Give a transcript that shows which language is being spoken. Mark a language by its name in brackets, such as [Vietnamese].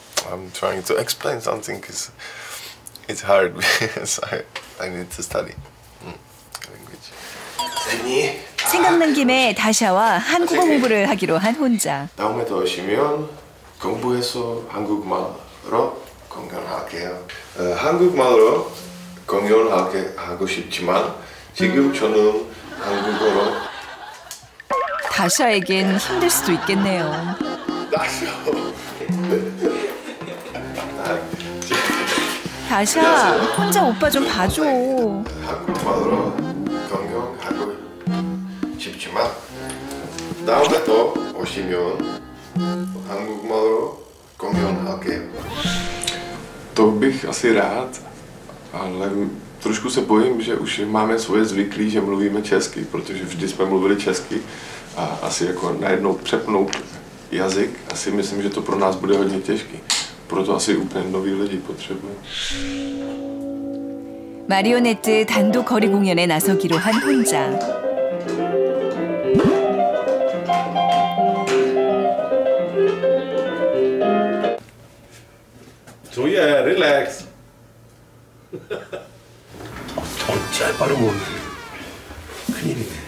[English] I'm trying to explain something because it's hard because I need to study language. [Korean] 쌤이 생각난 김에 다시 와 한국어 공부를 하기로 한 혼자. 다음에 더 쉬면 공부해서 한국말로 공연할게요. 한국말로 공연하게 하고 싶지만 지금 저는 한국어로. 다샤에겐 힘들 수도 있겠네요. 다샤. 다샤, 혼자 오빠 좀 봐줘. 한국말로 경영하고 싶지만 다음에 또 오시면 한국말로 경영할게요. [Czech] 또 bych asi rád, ale trošku se bojím, že už máme svoje zvyklí, že mluvíme česky, protože vždy jsme mluvili česky a asi jako najednou přepnout jazyk, asi myslím, že to pro nás bude hodně těžké. Proto asi úplně nový lidi potřebuje. [Korean] 마리오네트 단독 거리 공연에 나서기로 한 혼자. 조이야, 릴렉스. 진짜 빠르고 큰일이네.